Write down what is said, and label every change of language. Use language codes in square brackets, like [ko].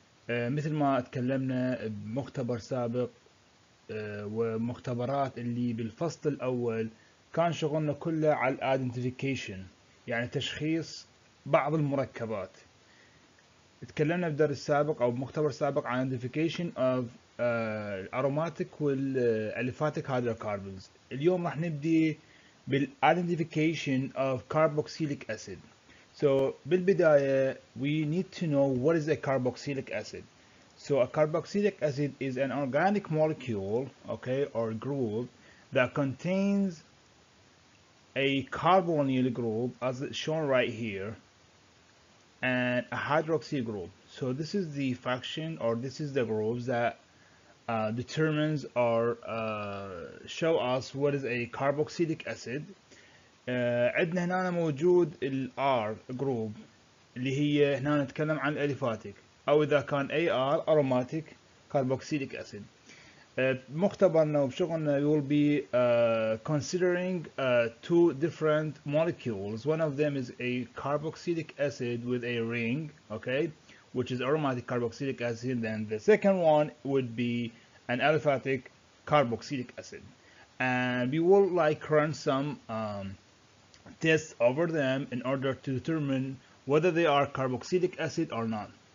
[ar] مثل ما تكلمنا بمختبر سابق ومختبرات اللي بالفصل الأول، كان شغلنا كله على الأيدنتيفيكيشن، يعني تشخيص بعض المركبات. تكلمنا في درس سابق أو بمختبر سابق عن [en] identification of aromatic [ar] والaliphatic hydrocarbons. اليوم راح نبدي بالidentification of carboxylic acid. [en] So بالبداية we need to know what is a carboxylic acid. So a carboxylic acid is an organic molecule, okay, or group that contains a carbonyl group as shown right here and a hydroxy group. So this is the function, or this is the groups that determines or show us what is a carboxylic acid. [ar] عندنا هنا موجود ال R group اللي هي هنا نتكلم عن aliphatic، أو إذا كان AR aromatic carboxylic acid. مختبرنا وبشغلنا [en] will be considering two different molecules. One of them is a carboxylic acid with a ring, okay, which is aromatic carboxylic acid. Then the second one would be an aliphatic carboxylic acid, and we will like run some tests over them in order to determine whether they are carboxylic acid or not.